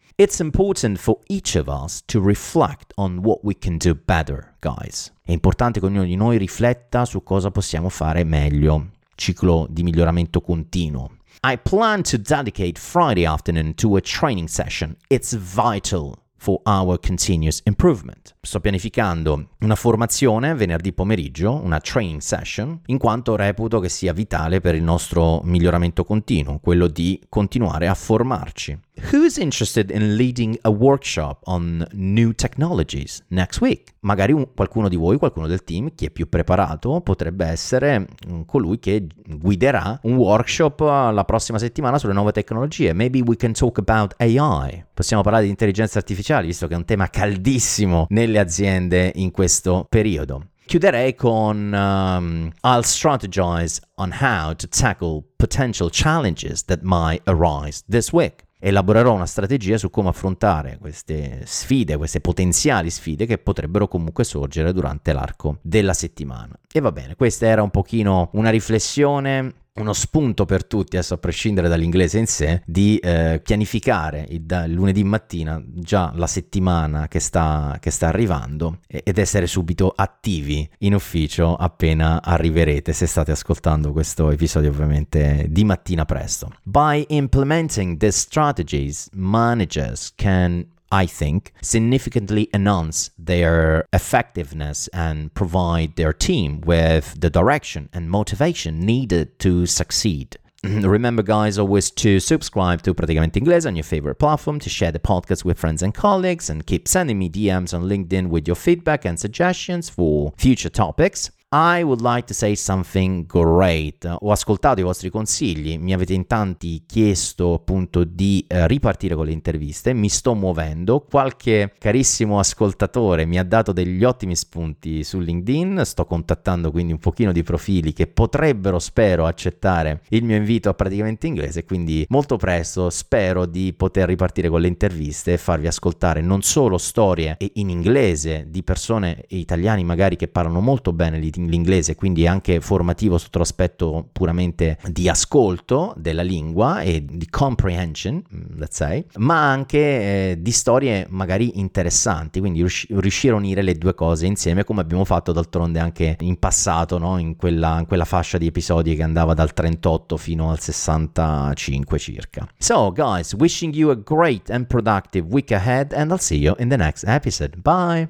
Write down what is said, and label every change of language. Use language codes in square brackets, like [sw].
[en] It's important for each of us to reflect on what we can do better, guys. [it] È importante che ognuno di noi rifletta su cosa possiamo fare meglio. Ciclo di miglioramento continuo. [en] I plan to dedicate Friday afternoon to a training session. It's vital for our continuous improvement. [it] Sto pianificando una formazione venerdì pomeriggio, una training session, in quanto reputo che sia vitale per il nostro miglioramento continuo, quello di continuare a formarci. [en] Who's interested in leading a workshop on new technologies next week? [it] Magari qualcuno di voi, qualcuno del team, chi è più preparato, potrebbe essere colui che guiderà un workshop la prossima settimana sulle nuove tecnologie. [en] Maybe we can talk about AI. [it] Possiamo parlare di intelligenza artificiale, visto che è un tema caldissimo nelle aziende in questo periodo. Chiuderei con [en] I'll strategize on how to tackle potential challenges that might arise this week. [it] Elaborerò una strategia su come affrontare queste sfide, queste potenziali sfide che potrebbero comunque sorgere durante l'arco della settimana. E va bene, questa era un pochino una riflessione, uno spunto per tutti, adesso a prescindere dall'inglese in sé, di pianificare dal lunedì mattina già la settimana che sta arrivando ed essere subito attivi in ufficio appena arriverete, se state ascoltando questo episodio ovviamente di mattina presto. [en] By implementing these strategies, managers can, I think, significantly enhance their effectiveness and provide their team with the direction and motivation needed to succeed. Remember, guys, always to subscribe to Praticamente Inglese on your favorite platform, to share the podcast with friends and colleagues, and keep sending me DMs on LinkedIn with your feedback and suggestions for future topics. I would like to say something great. [it] Ho ascoltato i vostri consigli, mi avete in tanti chiesto appunto di ripartire con le interviste, mi sto muovendo, qualche carissimo ascoltatore mi ha dato degli ottimi spunti su LinkedIn, sto contattando quindi un pochino di profili che potrebbero, spero, accettare il mio invito a Praticamente Inglese, quindi molto presto spero di poter ripartire con le interviste e farvi ascoltare non solo storie in inglese di persone italiani magari che parlano molto bene l'inglese, quindi è anche formativo sotto l'aspetto puramente di ascolto della lingua e di comprehension, [en] let's say, [it] ma anche di storie magari interessanti, quindi riuscire a unire le due cose insieme, come abbiamo fatto d'altronde anche in passato, no? in quella fascia di episodi che andava dal 38 fino al 65 circa. [en] So guys, wishing you a great and productive week ahead, and I'll see you in the next episode. Bye!